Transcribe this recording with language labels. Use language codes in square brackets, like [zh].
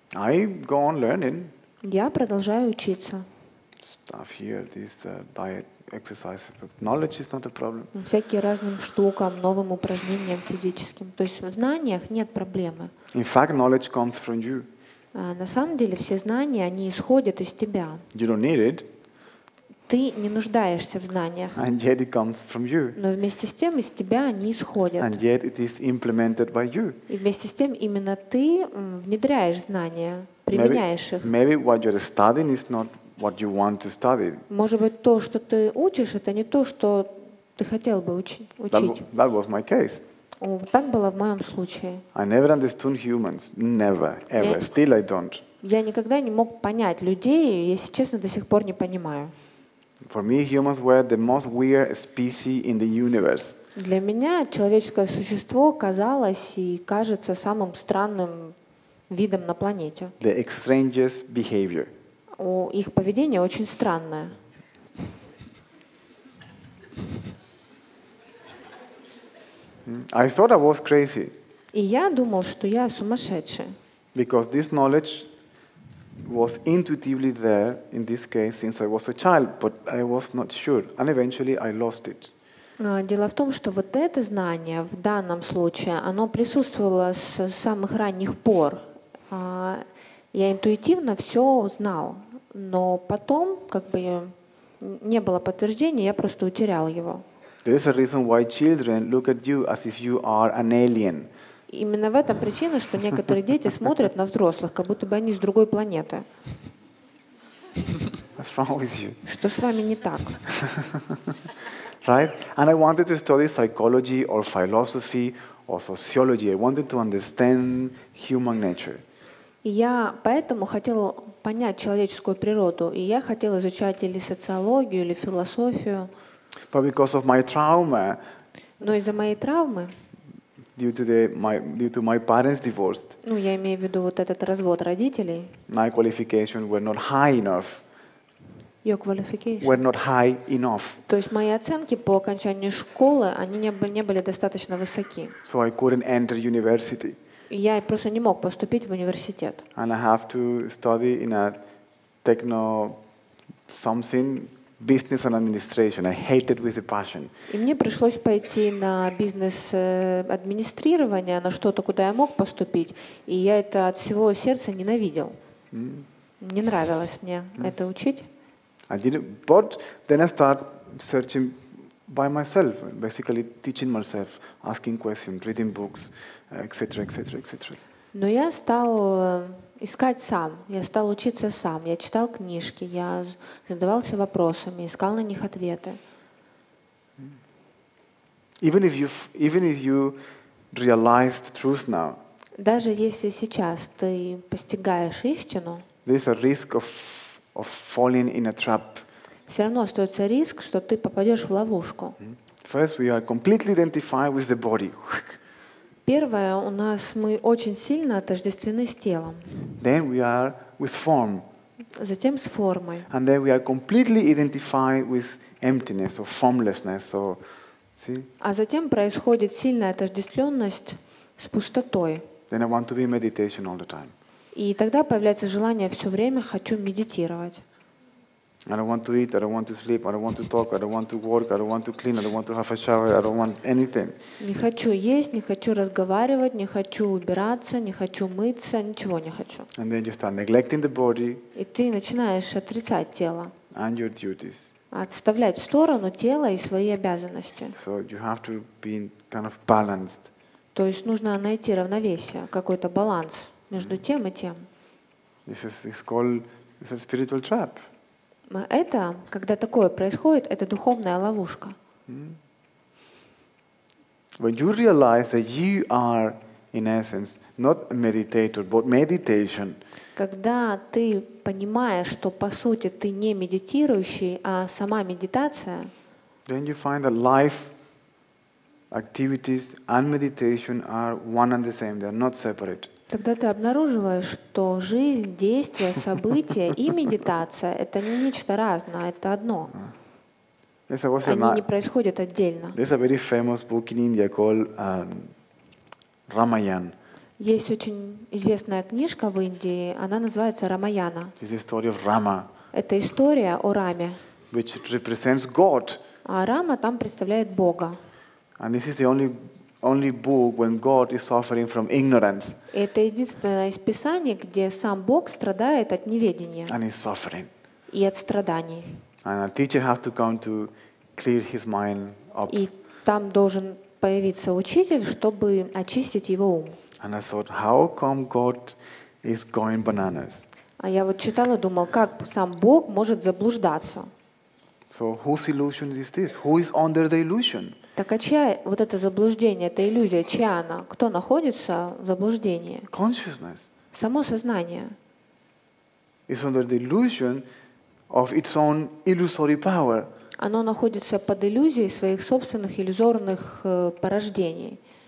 [en] I go on learning. [ru] Я продолжаю учиться. [en] Stuff here, this diet, exercise, knowledge is not a problem. [ru] Всякие разным штукам, новым упражнениям физическим. То есть в знаниях нет проблемы. [en] In fact, knowledge comes from you. [ru] На самом деле все знания они исходят из тебя. [en] You don't need it. [ru] Ты не нуждаешься в знаниях. [en] And yet it comes from you. [ru] Но вместе с тем из тебя они исходят. [en] And yet it is implemented by you. [ru] И вместе с тем именно ты внедряешь знания, применяешь их. [en] Maybe what you're studying is not what you want to study. [ru] Может быть, то, что ты учишь, это не то, что ты хотел бы учить. [en] That was my case. [ru] Так было в моем случае. [en] I never understood humans. Never, ever. Still I don't. [ru] Я никогда не мог понять людей, если честно, до сих пор не понимаю. [en] For me, humans were the most weird species in the universe. [ru] Для меня человеческое существо казалось и кажется самым странным видом на планете. [en] The strangest behavior. [ru] Их поведение очень странное. [en] I thought I was crazy. [ru] И я думал, что я сумасшедший. [en] Because this knowledge was intuitively there in this case since I was a child, but I was not sure, and eventually I lost it. [ru] Дело в том, что вот это знание в данном случае, оно присутствовало с самых ранних пор. Я интуитивно все знал. Но потом, как бы, не было подтверждения, я просто утерял его. [en] There is a reason why children look at you as if you are an alien. [ru] Именно в этом причина, что некоторые дети смотрят на взрослых, как будто бы они с другой планеты. [en] What's wrong with you? [ru] Что с вами не так? [en] Right? And I wanted to study psychology or philosophy or sociology. I wanted to understand human nature. [ru] И я поэтому хотел понять человеческую природу, и я хотел изучать или социологию, или философию. [en] But because of my trauma, [ru] но из-за моей травмы, [en] due to my parents' divorce, [ru] ну, я имею в виду вот этот развод родителей, [en] my qualifications were not high enough. Your qualifications were not high enough. [ru] То есть мои оценки по окончанию школы, они не были достаточно высоки. [en] So I couldn't enter university. [ru] я просто не мог поступить в университет. [en] And I have to study in a techno something, business and administration. I hated with a passion. [ru] И мне пришлось пойти на бизнес-администрирование, на что-то, куда я мог поступить, и я это от всего сердца ненавидел. Не нравилось мне это учить. [en] I didn't, but then I start searching by myself, basically teaching myself, asking questions, reading books, etc., etc., etc. [ru] Но я стал искать сам, я стал учиться сам, я читал книжки, я задавался вопросами, искал на них ответы. [en] Even if you realize the truth now. [ru] Даже если сейчас ты постигаешь истину. [en] There's a risk of falling in a trap. [ru] Все равно остается риск, что ты попадешь в ловушку. [en] First, we are completely identified with the body. [ru] Первое, у нас мы очень сильно отождествлены с телом. [en] Then we are with form. [ru] Затем с формой. [en] And then we are completely identified with emptiness or formlessness or see. [ru] А затем происходит сильная отождествленность с пустотой. [en] Then I want to be in meditation all the time. [ru] И тогда появляется желание все время хочу медитировать. [en] I don't want to eat, I don't want to sleep, I don't want to talk, I don't want to work, I don't want to clean, I don't want to have a shower, I don't want anything. [ru] Не хочу есть, не хочу разговаривать, не хочу убираться, не хочу мыться, ничего не хочу. [en] And then you start neglecting the body. [ru] И ты начинаешь отрицать тело. [en] And your duties. [ru] Отставлять в сторону тело и свои обязанности. [en] So you have to be kind of balanced. [ru] То есть нужно найти равновесие, какой-то баланс между тем и тем. [en] It's a spiritual trap. [ru] Это, когда такое происходит, это духовная ловушка. [en] When you realize that you are, in essence, not a meditator, but meditation. [ru] Когда ты понимаешь, что по сути ты не медитирующий, а сама медитация. [en] Then you find that life, activities and meditation are one and the same. They are not separate. [ru] Тогда ты обнаруживаешь, что жизнь, действия, события и медитация — это не нечто разное, это одно. Они не происходят отдельно. [en] There's a very famous book in India called Ramayana. [ru] Есть очень известная книжка в Индии, она называется Рамаяна. [en] It's the story of Rama. [ru] Это история о Раме. [en] Which represents God. [ru] А Рама там представляет Бога. [en] And this is the only book when God is suffering from ignorance. [ru] Это единственное из писаний, где сам Бог страдает от неведения. [en] And he's suffering. [ru] И от страданий. [en] And a teacher has to come to clear his mind up. [ru] И там должен появиться учитель, чтобы очистить его ум. [en] And I thought, how come God is going bananas? [ru] А я вот читал и думал, как сам Бог может заблуждаться? [en] So whose illusion is this? Who is under the illusion? [ru] Так а чья вот это заблуждение, эта иллюзия, чья она? Кто находится в заблуждении? [en] Consciousness. [ru] Само сознание. [en] It's under the illusion of its own illusory power. [ru] Оно находится под иллюзией своих собственных иллюзорных порождений.